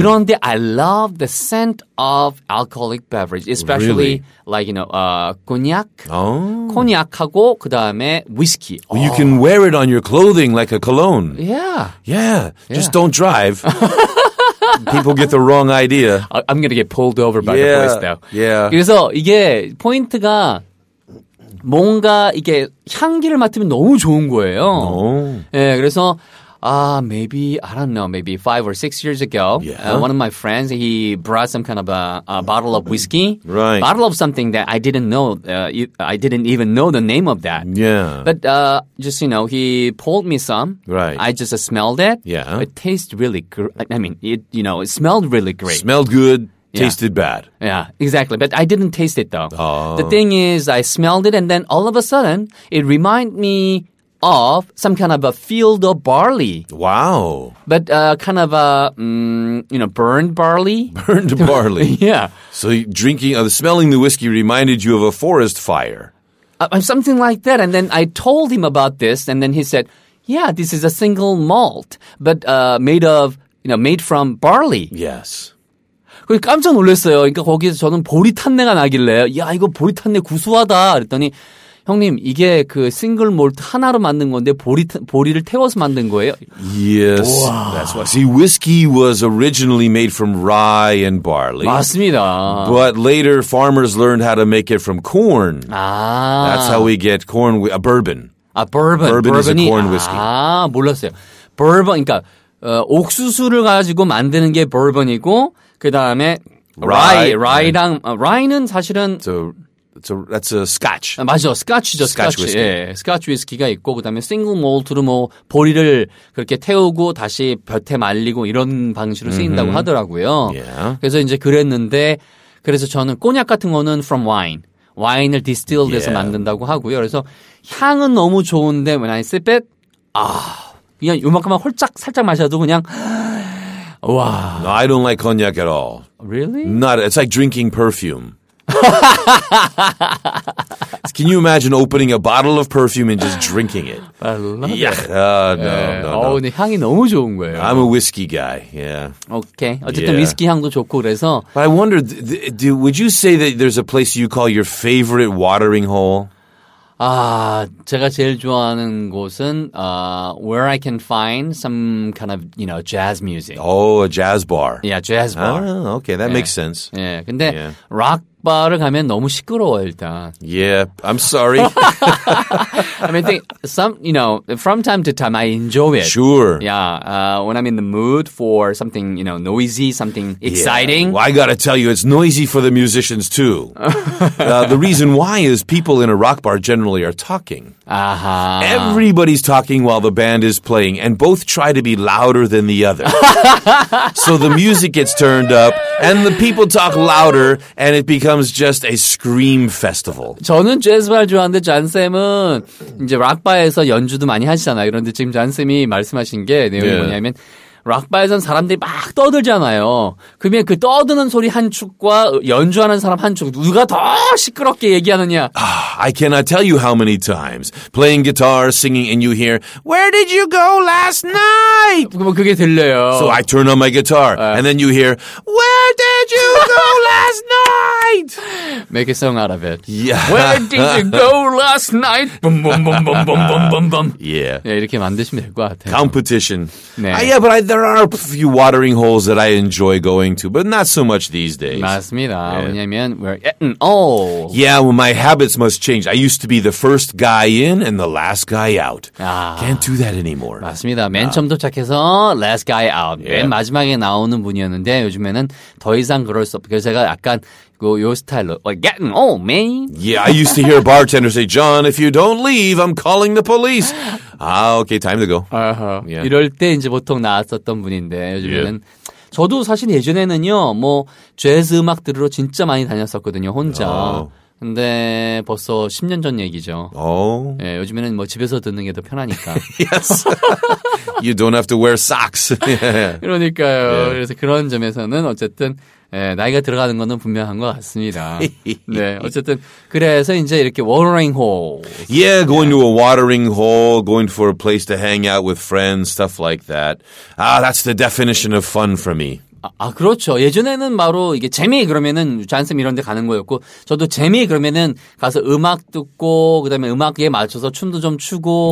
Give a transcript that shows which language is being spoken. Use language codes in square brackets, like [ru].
[ko] 그런데 [en] I love the scent of alcoholic beverage, especially really? Like, you know, 코냑. [ko] 코냑하고 그다음에 위스키. [en] Well, oh. You can wear it on your clothing like a cologne. Yeah. Yeah. Just don't drive. People get the wrong idea. I'm going to get pulled over by the police though. Yeah. [ko] 그래서 이게 포인트가 뭔가 이게 향기를 맡으면 너무 좋은 거예요. 예, 그래서 [en] maybe, I don't know, maybe 5 or 6 years ago, one of my friends, he brought some kind of a bottle of whiskey. Right. Bottle of something that I didn't know, I didn't even know the name of that. Yeah. But, just, you know, he poured me some. Right. I just smelled it. Yeah. It tastes really good. I mean, it, you know, it smelled really great. Smelled good. Tasted bad. Yeah, exactly. But I didn't taste it though. Oh. The thing is, I smelled it and then all of a sudden, it reminded me of some kind of a field of barley. Wow. But kind of a, you know, burned barley. Burned barley. Yeah. So drinking, smelling the whiskey reminded you of a forest fire. Something like that. And then I told him about this and then he said, yeah, this is a single malt, but made of, you know, made from barley. Yes. [ko] 깜짝 놀랐어요. 그러니까 거기서 저는 보리탄내가 나길래 야 이거 보리탄내 구수하다 그랬더니 형님 이게 그 싱글 몰트 하나로 만든 건데 보리를 태워서 만든 거예요. [en] Yes. Wow. That's what. See, whiskey was originally made from rye and barley. [ko] 맞습니다. [en] But later farmers learned how to make it from corn. [ko] 아. [en] That's how we get corn a bourbon. [ko] 아, bourbon. [en] Bourbon is a corn whiskey. [ko] 아, 몰랐어요. Bourbon 그러니까 옥수수를 가지고 만드는 게 bourbon이고 그다음에 rye랑 rye는 사실은 [en] that's a scotch. [ko] 아, 맞아. scotch죠. scotch. 예. scotch 위스키가 있고 그다음에 싱글 몰트로 뭐 보리를 그렇게 태우고 다시 볕에 말리고 이런 방식으로 쓰인다고 mm-hmm. 하더라고요. [en] Yeah. [ko] 그래서 이제 그랬는데 그래서 저는 꼬냑 같은 거는 [en] from wine. [ko] 와인을 distilled 해서 만든다고 하고요. 그래서 향은 너무 좋은데 [en] when I sip it [ko] 아 그냥 요만큼만 홀짝 살짝 마셔도 그냥 Wow. [en] No, I don't like cognac at all. Really? Not. It's like drinking perfume. Can you imagine opening a bottle of perfume and just drinking it? I love yeah. it. No. [ko] 오, 근데 향이 너무 좋은 거예요. [en] I'm a whiskey guy. Yeah. Okay. [ko] 어쨌든 위스키 향도 좋고 그래서. [en] But I wonder, would you say that there's a place you call your favorite watering hole? [ko] 아, 제가 제일 좋아하는 곳은 [en] where I can find some kind of, you know, jazz music. Oh, a jazz bar. Yeah, jazz bar. Oh, okay, that makes sense. [ko] 예. 근데 rock bar를 가면 너무 시끄러워요, 일단. [en] Yeah, I'm sorry. I mean, you know, from time to time I enjoy it. Sure. Yeah, when I'm in the mood for something, you know, noisy, something exciting. Yeah. Well, I got to tell you, it's noisy for the musicians too. the reason why is people in a rock bar generally are talking. Aha. Uh-huh. Everybody's talking while the band is playing and both try to be louder than the other. So the music gets turned up and the people talk louder and it becomes just a scream festival. [ko] 저는 재즈 발 좋아하는데 잔쌤은 이제 락바에서 연주도 많이 하시잖아요. 그런데 지금 잔쌤이 말씀하신 게 내용이 뭐냐면 락바에서는 사람들이 막 떠들잖아요. 그러면 그 떠드는 소리 한 축과 연주하는 사람 한 축 누가 더 시끄럽게 얘기하느냐. [en] I cannot tell you how many times playing guitar, singing and you hear Where did you go last night? [ko] 그게 들려요. [en] So I turn on my guitar and then you hear Where did you go last night? Make a song out of it. Yeah. Where did you go last night? Boom, boom, boom, boom, boom, boom, boom, boom. Yeah. [ko] 이렇게 만드시면 될 것 같아요. [en] Competition. [ko] 네. [en] Yeah, but there are a few watering holes that I enjoy going to, but not so much these days. [ko] 맞습니다. [en] Yeah. [ko] 왜냐하면 [en] we're getting old. Yeah, well, my habits must change. I used to be the first guy in and the last guy out. [ko] 아, [en] can't do that anymore. [ko] 맞습니다. 맨 처음 도착해서 [en] last guy out. [ko] Yeah. 맨 마지막에 나오는 분이었는데 요즘에는 더 이상 그럴 수 없고 제가 약간 요 스타일로 [en] like getting old, man. Yeah, I used to hear bartenders say, John, if you don't leave, I'm calling the police. Ah, okay, time to go. Uh-huh. Yeah. [ko] 이럴 때 이제 보통 나왔었던 분인데 요즘에는 yeah. 저도 사실 예전에는요 뭐 재즈 음악 들으러 진짜 많이 다녔었거든요 혼자. Oh. 근데 벌써 10년 전 얘기죠. 오. Oh. 예, 요즘에는 뭐 집에서 듣는 게 더 편하니까. [en] yes. You don't have to wear socks. [ko] 그러니까요. Yeah. 그래서 그런 점에서는 어쨌든 예, 나이가 들어가는 거는 분명한 것 같습니다. 네, 어쨌든 그래서 이제 이렇게 watering hole. [en] Yeah, going to a watering hole, going for a place to hang out with friends, stuff like that. Ah, that's the definition of fun for me. [ko] 아, 그렇죠. 예전에는 바로 이게 재미 그러면은 잔쌤 이런 데 가는 거였고 저도 재미 그러면은 가서 음악 듣고 그다음에 음악에 맞춰서 춤도 좀 추고